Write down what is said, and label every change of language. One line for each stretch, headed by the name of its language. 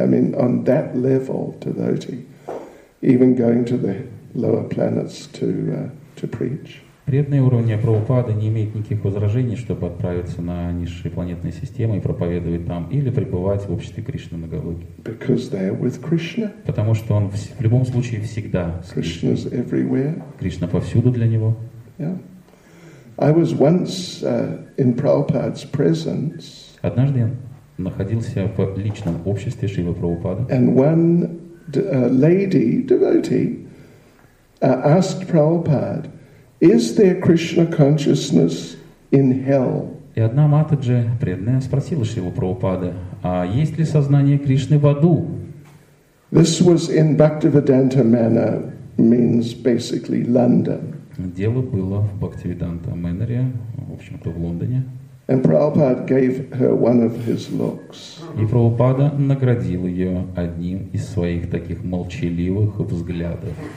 English: I mean, on that level, devotee, even going to the lower planets to preach.
Russian: Преданные уровня Прабхупады не имеют никаких возражений, чтобы отправиться на низшие планетные системы и проповедовать там или пребывать в обществе Кришны на Галоке.
English: Because they are with Krishna.
Russian: Потому что он в любом случае всегда с Кришной.
English: Krishna is everywhere.
Russian: Кришна повсюду для него.
English: Yeah. I was once in Prabhupada's presence.
Russian: Однажды я находился в личном обществе Шрилы Прабхупады.
English: And one lady devotee asked Prabhupada, is there Krishna consciousness in hell?
Russian: И одна матаджи, преданная, спросила Шрилу Прабхупады, а есть ли сознание Кришны в аду?
English: This was in Bhaktivedanta Manor, means basically London.
Russian: Дело было в Бхактивиданта Мэннере, в общем-то, в Лондоне.
English: And Prabhupada gave her one of his looks.
Russian: И Прабхупада наградил ее одним из своих таких молчаливых взглядов.